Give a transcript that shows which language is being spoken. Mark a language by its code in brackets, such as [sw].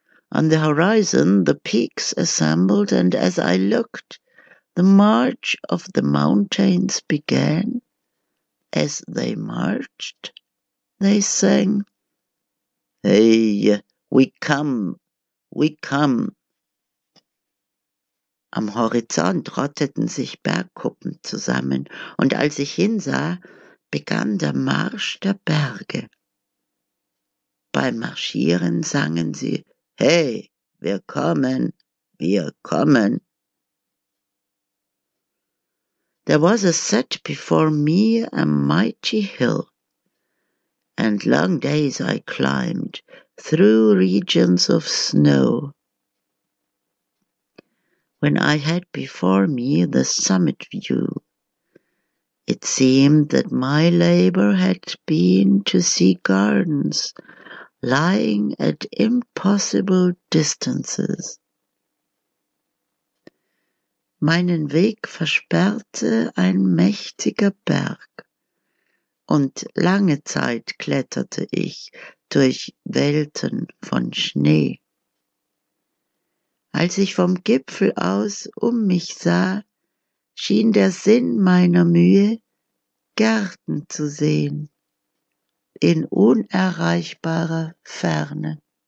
[en] On the horizon, the peaks assembled, and as I looked, the march of the mountains began. As they marched, they sang, hey, we come. [de] Am Horizont rotteten sich Bergkuppen zusammen, und als ich hinsah, begann der Marsch der Berge. Beim Marschieren sangen sie, hey, wir kommen. [en] There was a set before me a mighty hill, and long days I climbed through regions of snow. When I had before me the summit view, it seemed that my labor had been to see gardens lying at impossible distances. [de] Meinen Weg versperrte ein mächtiger Berg, und lange Zeit kletterte ich durch Welten von Schnee. Als ich vom Gipfel aus um mich sah, schien der Sinn meiner Mühe, Gärten zu sehen, in unerreichbarer Ferne.